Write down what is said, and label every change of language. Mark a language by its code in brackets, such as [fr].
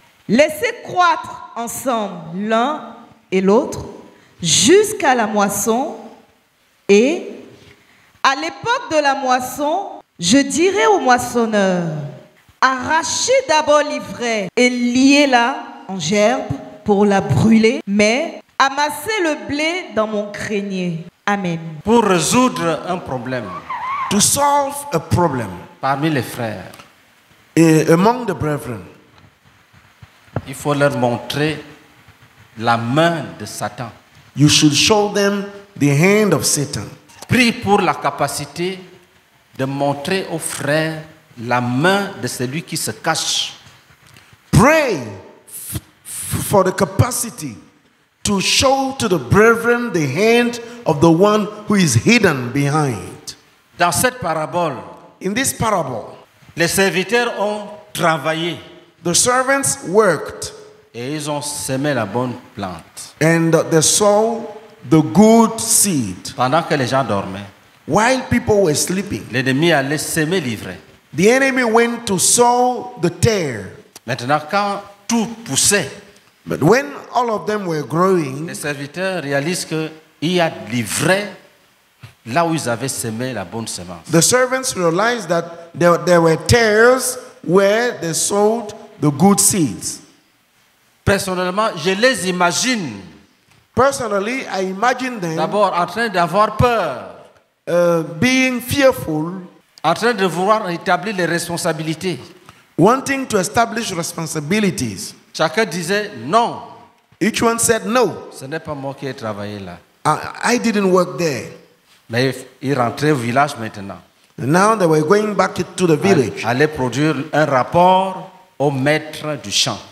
[fr] Laissez croître ensemble l'un et l'autre jusqu'à la moisson et à l'époque de la moisson, je dirai au moissonneur, arrachez d'abord l'ivraie et liez-la en gerbe pour la brûler, mais amassez le blé dans mon grenier. Amen. Pour résoudre un problème. [en] To solve a problem. [fr] Parmi les frères. [en] Et among the brethren. [fr] Il faut leur montrer la main de Satan. [en] You should show them the hand of Satan. [fr] Prie pour la capacité de montrer aux frères la main de celui qui se cache. [en] Pray for the capacity to show to the brethren the hand of the one who is hidden behind. [fr] Dans cette parabole, [en] in this parable, [fr] les serviteurs ont travaillé. [en] The servants worked. [fr] Et ils ont semé la bonne plante. [en] And they sowed the good seed. [fr] Pendant que les gens dormaient. [en] While people were sleeping. [fr] L'ennemi allait semer l'ivraie. [en] The enemy went to sow the tare. [fr] Maintenant, quand tout poussait, [en] but when all of them were growing, [fr] les serviteurs réalisent qu'il y a de l'ivraie là où ils avaient semé la bonne semence. [en] The servants realized that there were tares where they sowed the good seeds. [fr] Personnellement, je les imagine. [en] Personally, I imagine them. [fr] D'abord, en train d'avoir peur. [en] Being fearful. [fr] En train de vouloir établir les responsabilités. [en] Wanting to establish responsibilities. [fr] Chacun disait non. [en] Each one said no. [fr] Ce n'est pas moi qui ai travaillé là. [en] I didn't work there. [fr] Mais ils rentraient au village maintenant. [en] And now they were going back to the village. [fr] Aller produire un rapport au maître du champ.